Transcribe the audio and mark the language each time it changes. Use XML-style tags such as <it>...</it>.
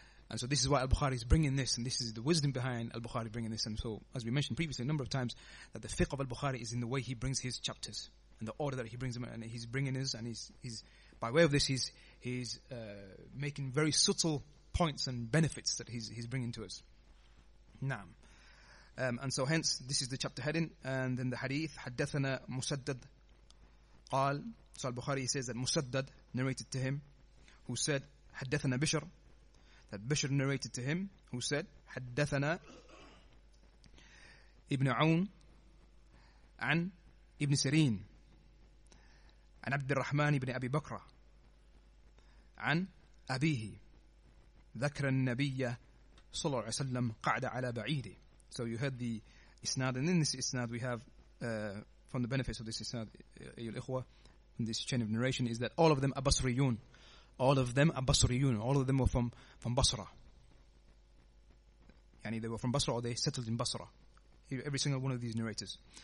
<en>And so this is why Al-Bukhari is bringing this, and this is the wisdom behind Al-Bukhari bringing this. And so, as we mentioned previously a number of times, that the fiqh of Al-Bukhari is in the way he brings his chapters, and the order that he brings them, and he's bringing us, and he's by way of this, he's making very subtle points and benefits that he's bringing to us. Naam. And so hence, this is the chapter heading, and then the hadith,</en> <ar>حَدَّثَنَا مُسَدَّدْ قَال.</ar> <en>So Al-Bukhari says that Musaddad narrated to him, who said,</en> <ar>حَدَّثَنَا بِشَرْ.</ar> <en>That Bishr narrated to him, who said,</en> <ar>حَدَّثَنَا Ibn Aun عَنْ Ibn Sirin عن عبد الرحمن بن أبي بكر عن أبيه ذكر النبي صلى الله عليه وسلم قعد على بعيده.</ar> <en>So you heard the isnad, and in this isnad we have from the benefits of this isnad,</en> <ar>أيها الإخوة,</ar> <en>in this chain of narration, is that all of them are Basriyun. All of them were from Basra. يعني they were from Basra, or they settled in Basra. Every single one of these narrators.</en>